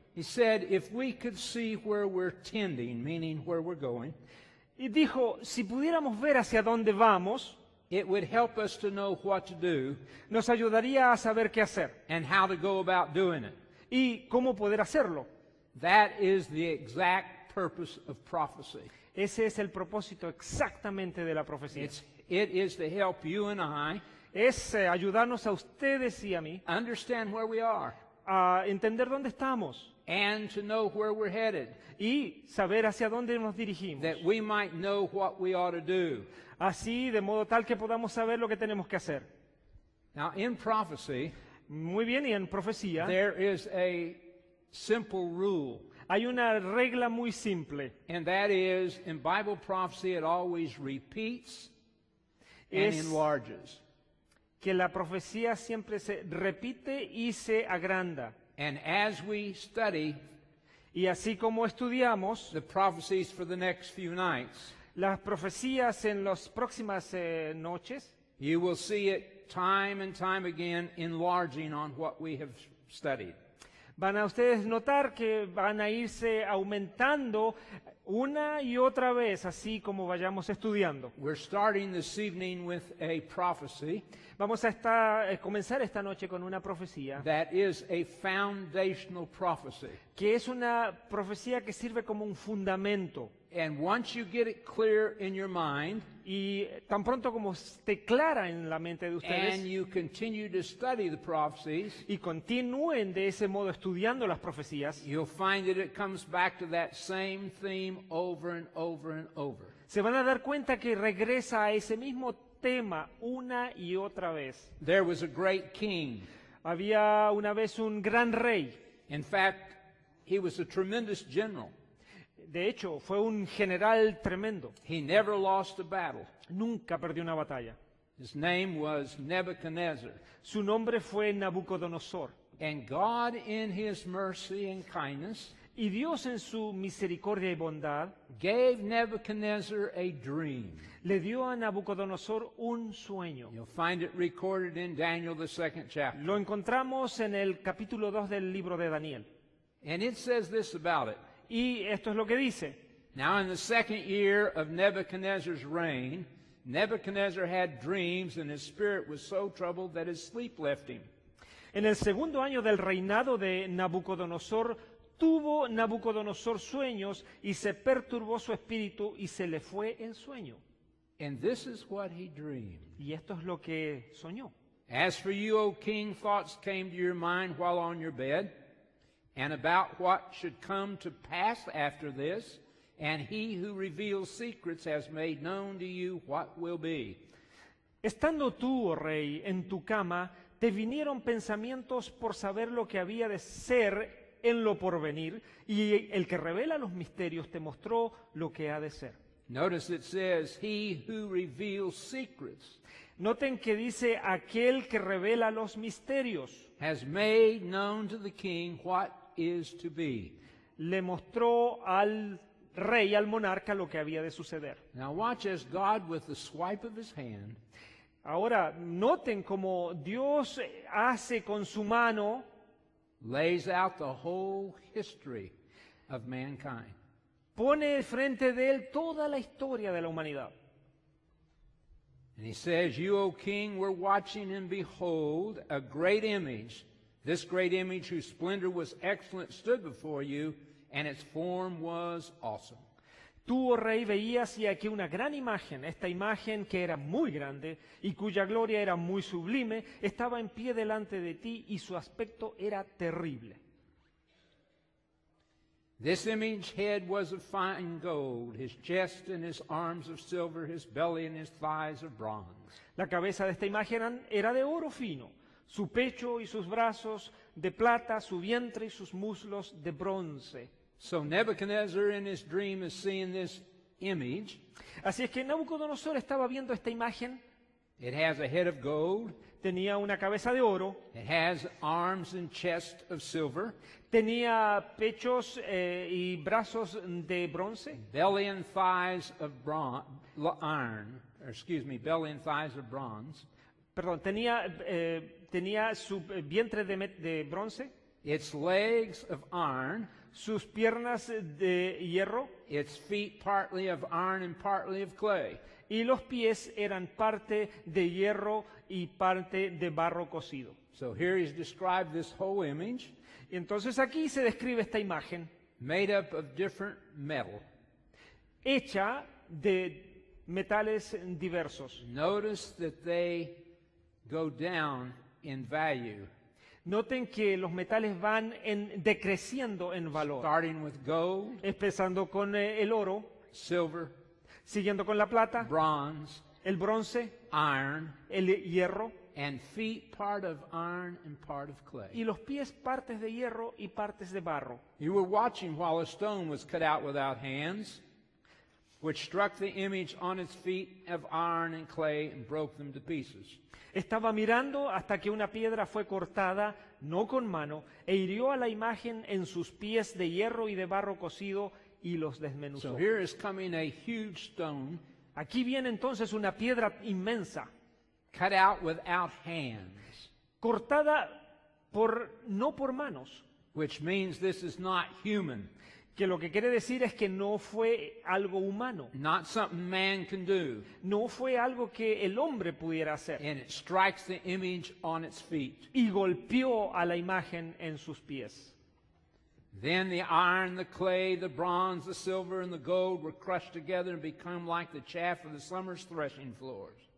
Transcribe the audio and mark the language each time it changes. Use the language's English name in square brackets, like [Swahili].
[English] He said, "If we could see where we're tending, meaning where we're going," [Spanish] y dijo, si pudiéramos ver hacia dónde vamos, [English] "it would help us to know what to do," [Spanish] nos ayudaría a saber qué hacer, [English] "and how to go about doing it." [Spanish] Y cómo poder hacerlo. [English] That is the exact purpose of prophecy. [Spanish] Ese es el propósito exactamente de la profecía. [English] It is to help you and I [Spanish] es ayudarnos a ustedes y a mí [English] understand where we are, [Spanish] a entender dónde estamos, [English] and to know where we're headed, [Spanish] y saber hacia dónde nos dirigimos, [English] that we might know what we ought to do, [Spanish] así de modo tal que podamos saber lo que tenemos que hacer. [English] Now in prophecy, [Spanish] muy bien, y en profecía, [English] there is a simple rule. [Spanish] Hay una regla muy simple. [English] And that is, in Bible prophecy, it always repeats and enlarges. [Spanish] Que la profecía siempre se repite y se agranda. [English] And as we study, [Spanish] y así como estudiamos, [English] the prophecies for the next few nights, [Spanish] las profecías en las próximas noches, [English] you will see it time and time again enlarging on what we have studied. [Spanish] Van a ustedes notar que van a irse aumentando una y otra vez así como vayamos estudiando. [English] We're starting this evening with a prophecy. [Spanish] Vamos a comenzar esta noche con una profecía. [English] That is a foundational prophecy. [Spanish] Que es una profecía que sirve como un fundamento. [English] And once you get it clear in your mind, [Spanish] y tan pronto como esté clara en la mente de ustedes, [English] and you continue to study the prophecies, [Spanish] y continúen de ese modo estudiando las profecías, [English] you'll find that it comes back to that same theme over and over and over. [Spanish] Se van a dar cuenta que regresa a ese mismo tema una y otra vez. [English] There was a great king. [Spanish] Había una vez un gran rey. [English] In fact, he was a tremendous general. [Spanish] De hecho, fue un general tremendo. [English] He never lost a battle. [Spanish] Nunca perdió una batalla. [English] His name was Nebuchadnezzar. [Spanish] Su nombre fue Nabucodonosor. [English] And God, in his mercy and kindness, [Spanish] Y Dios en su misericordia y bondad [English] gave Nebuchadnezzar a dream. [Spanish] Le dio a Nabucodonosor un sueño. [English] You'll find it recorded in Daniel, the second chapter. [Spanish] Lo encontramos en el capítulo 2 del libro de Daniel. [English] And it says this about it. [Spanish] Y esto es lo que dice. [English] Now in the second year of Nebuchadnezzar's reign, Nebuchadnezzar had dreams and his spirit was so troubled that his sleep left him. [Spanish] En el segundo año del reinado de Nabucodonosor, tuvo Nabucodonosor sueños y se perturbó su espíritu y se le fue el sueño. [English] And this is what he dreamed. [Spanish] Y esto es lo que soñó. [English] As for you, O king, thoughts came to your mind while on your bed, and about what should come to pass after this, and he who reveals secrets has made known to you what will be. [Spanish] Estando tú, oh rey, en tu cama, te vinieron pensamientos por saber lo que había de ser en lo porvenir, y el que revela los misterios te mostró lo que ha de ser. [English] Notice it says, he who reveals secrets. [Spanish] Noten que dice aquel que revela los misterios. [English] Has made known to the king what is to be. [Spanish] Le mostró al rey, al monarca, lo que había de suceder. [English] Now watch as God with the swipe of his hand. [Spanish] Ahora noten cómo Dios hace con su mano. [English] Lays out the whole history of mankind. [Spanish] Pone frente de él toda la historia de la humanidad. [English] And he says, you, O king, were watching and behold, a great image. This great image whose splendor was excellent stood before you, and its form was awesome. [Spanish] Tú, oh rey, veías y aquí una gran imagen, esta imagen que era muy grande y cuya gloria era muy sublime, estaba en pie delante de ti y su aspecto era terrible. [English] This image head was of fine gold, his chest and his arms of silver, his belly and his thighs of bronze. [Spanish] La cabeza de esta imagen era de oro fino, su pecho y sus brazos de plata, su vientre y sus muslos de bronce. [English] So Nebuchadnezzar in his dream is seeing this image. [Spanish] Así es que Nabucodonosor estaba viendo esta imagen. [English] It has a head of gold. [Spanish] Tenía una cabeza de oro. [English] It has arms and chest of silver. [Spanish] Tenía pechos y brazos de bronce. [English] Belly and thighs of bronze. [Spanish] Perdón, tenía su vientre de bronce. [English] Its legs of iron. [Spanish] Sus piernas de hierro. [English] Its feet partly of iron and partly of clay. [Spanish] Y los pies eran parte de hierro y parte de barro cocido. [English] So here is described this whole image. [Spanish] Entonces aquí se describe esta imagen. [English] Made up of different metal. [Spanish] Hecha de metales diversos. [English] Notice that they go down in value. [Spanish] Noten que los metales van decreciendo en valor. [English] Starting with gold, [Spanish] empezando con el oro, [English] silver, [Spanish] siguiendo con la plata, [English] bronze, [Spanish] el bronce, [English] iron, [Spanish] el hierro, [English] and feet part of iron and part of clay. [Spanish] Y los pies partes de hierro y partes de barro. [English] You were watching while a stone was cut out without hands, which struck the image on its feet of iron and clay and broke them to pieces. [Spanish] Estaba mirando hasta que una piedra fue cortada, no con mano, e hirió a la imagen en sus pies de hierro y de barro cocido y los desmenuzó. [English] So here is coming a huge stone. [Spanish] Aquí viene entonces una piedra inmensa. [English] Cut out without hands. [Spanish] Cortada por no por manos. [English] Which means this is not human. [Spanish] Que lo que quiere decir es que no fue algo humano. [English] Not something man can do. [Spanish] No fue algo que el hombre pudiera hacer. [English] And it strikes the image on its feet. [Spanish] Y golpeó a la imagen en sus pies. [English] Then the iron, the clay, the bronze, the silver, and the gold were crushed together and become like the chaff of the summer's threshing floors.